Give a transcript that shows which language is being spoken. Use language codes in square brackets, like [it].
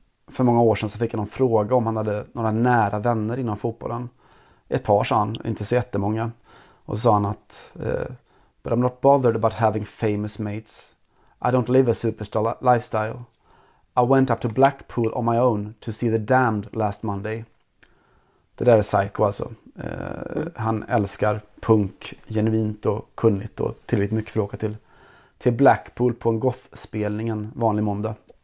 [sv] För många år sedan så fick jag någon fråga om han hade några nära vänner inom fotbollen. Ett par sa han, inte så jättemånga. Och så sa han att [en] but I'm not bothered about having famous mates. I don't live a superstar lifestyle. I went up to Blackpool on my own to see The Damned last Monday. [sv] Det där är psycho alltså. Han älskar punk genuint och kunnigt och tillräckligt mycket för att åka till Blackpool på en gothspelning en vanlig måndag.